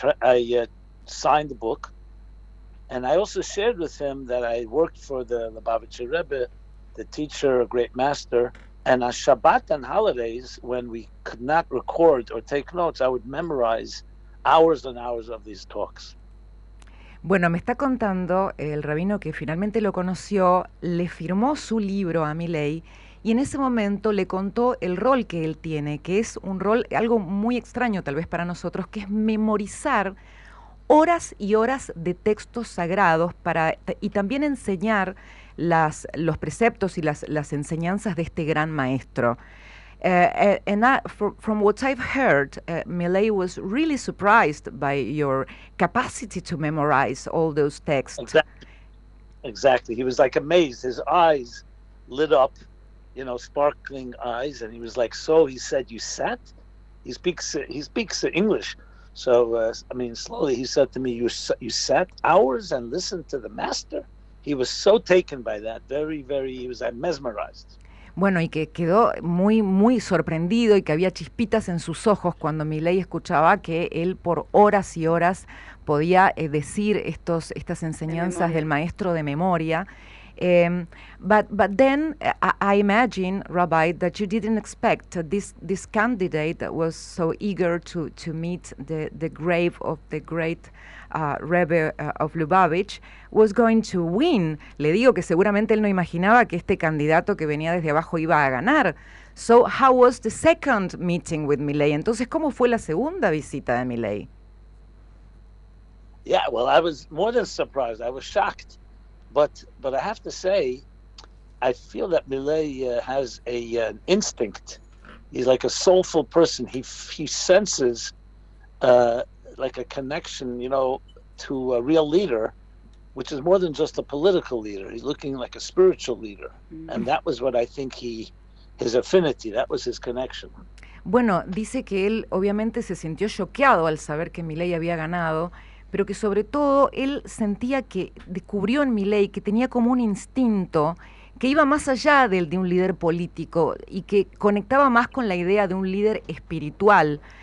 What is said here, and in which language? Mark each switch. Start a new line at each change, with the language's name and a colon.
English: I signed the book, and I also shared with him that I worked for the Lubavitcher Rebbe, the teacher, a great master. And on Shabbat and holidays, when we could not record or take notes, I would memorize hours and hours of these talks.
Spanish: Bueno, me está contando el rabino que finalmente lo conoció, le firmó su libro a Milei, y en ese momento le contó el rol que él tiene, que es un rol, algo muy extraño tal vez para nosotros, que es memorizar horas y horas de textos sagrados y también enseñar los preceptos y las enseñanzas de este gran maestro.
English: From what I've heard, Milei was really surprised by your capacity to memorize all those texts. Exactly. He was like amazed. His eyes lit up, you know, sparkling eyes. And he was like, so he said, you sat? He speaks English. So, slowly he said to me, you sat hours and listened to the master? He was so taken by that, very, very, he was mesmerized.
Spanish: Bueno, y que quedó muy, muy sorprendido y que había chispitas en sus ojos cuando Milei escuchaba que él por horas y horas podía decir estas enseñanzas del maestro de memoria.
English: But then I imagine, Rabbi, that you didn't expect this candidate that was so eager to meet the grave of the great Rebbe of Lubavitch was going to win.
Spanish: Le digo que seguramente él no imaginaba que este candidato que venía desde abajo iba a ganar.
English: So how was the second meeting with Milei?
Spanish: Entonces, ¿cómo fue la segunda visita de Milei?
English: Yeah, well, I was more than surprised. I was shocked. But I have to say, I feel that Milei has an instinct. He's like a soulful person. He senses like a connection, you know, to a real leader, which is more than just a political leader. He's looking like a spiritual leader. Mm-hmm. And that was what I think his affinity, that was his connection.
Spanish: Bueno, dice que él obviamente se sintió choqueado al saber que Milei había ganado, pero que sobre todo él sentía que descubrió en Milei que tenía como un instinto que iba más allá del de un líder político y que conectaba más con la idea de un líder espiritual.